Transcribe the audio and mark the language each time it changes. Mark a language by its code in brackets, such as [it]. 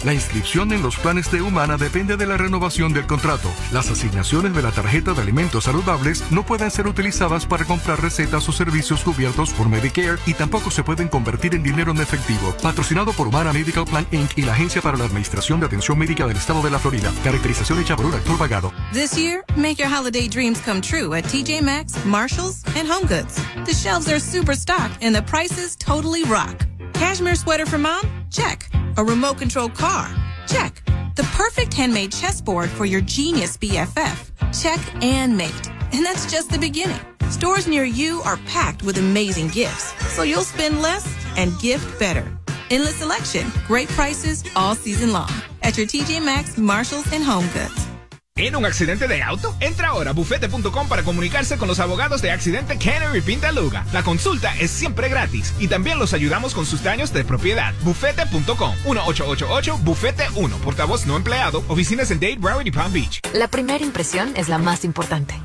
[es] La inscripción en los planes de Humana depende de la renovación del contrato. Las asignaciones de la tarjeta de alimentos saludables no pueden ser utilizadas para comprar recetas o servicios cubiertos por Medicare y tampoco se pueden convertir en dinero en efectivo. Patrocinado por Humana Medical Plan Inc. y la Agencia para la Administración de Atención Médica del Estado de la Florida. Caracterización hecha por un actor pagado. [en] This year, make your holiday dreams come true at TJ Maxx, Marshalls, and HomeGoods. The shelves are super stocked and the prices totally rock. Cashmere sweater for mom? Check. A remote control car? Check. The perfect handmade chessboard for your genius BFF? Check and mate. And that's just the beginning. Stores near you are packed with amazing gifts, so you'll spend less and gift better. Endless selection, great prices all season long at your TJ Maxx, Marshalls, and HomeGoods. [es] ¿En un accidente de auto? Entra ahora a bufete.com para comunicarse con los abogados de accidente Canary Pintaluga. La consulta es siempre gratis y también los ayudamos con sus daños de propiedad. Bufete.com, 1-888-BUFETE-1, portavoz no empleado, oficinas en Dade, Broward y Palm Beach. La primera impresión es la más importante.